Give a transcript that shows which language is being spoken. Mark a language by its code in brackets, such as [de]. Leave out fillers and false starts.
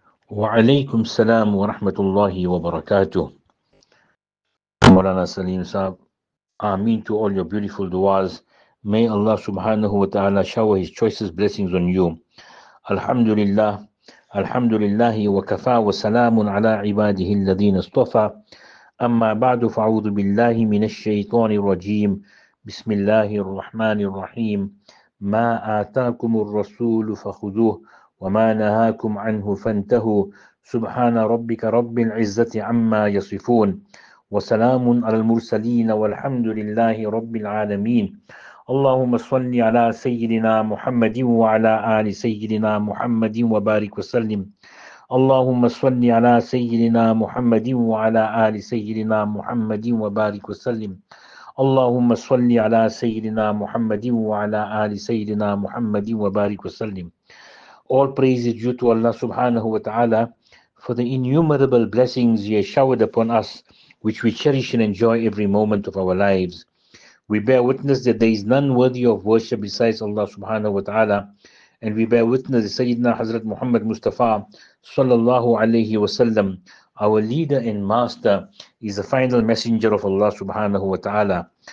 [ar] وعليكم السلام ورحمة الله وبركاته. [en] مولانا سليم صاحب، آمين to all your beautiful duas. May Allah subhanahu wa ta'ala shower his choicest blessings on you. [ar] الحمد لله، الحمد لله وكفى وسلام على عباده الذين اصطفى. أما بعد، فأعوذ بالله من الشيطان الرجيم. بسم الله الرحمن الرحيم. ما آتاكم الرسول فخذوه وما نهاكم عنه فانتهوا. سبحان ربك رب العزة عما يصفون، وسلام على المرسلين، والحمد لله رب العالمين. اللهم صل على سيدنا محمد وعلى آل سيدنا محمد وبارك وسلم. اللهم صل على سيدنا محمد وعلى آل سيدنا محمد وبارك وسلم. اللهم صل على سيدنا محمد وعلى آل سيدنا محمد وبارك وسلم. [en] All praise is due to Allah subhanahu wa ta'ala for the innumerable blessings He has showered upon us, which we cherish and enjoy every moment of our lives. We bear witness that there is none worthy of worship besides Allah subhanahu wa ta'ala, and we bear witness that Sayyidina Hazrat Muhammad Mustafa sallallahu alayhi wa sallam, our leader and master, is the final messenger of Allah subhanahu wa ta'ala.